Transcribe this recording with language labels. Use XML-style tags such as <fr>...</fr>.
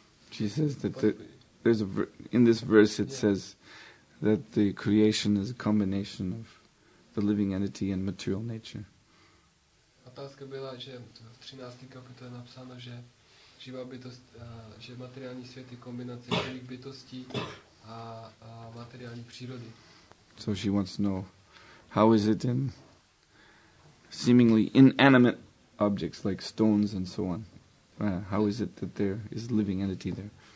<en>She says that there's a verse says that the creation is a combination of the living entity and material nature.</en> <cs>Otázka byla, že v 13. kapitole je napsáno, že živá bytost, že materiální svět je kombinace živých bytostí a materiální přírody.</cs> <en>So she wants to know, how is it in seemingly inanimate objects like stones and so on? How is it that there is living entity there?</en>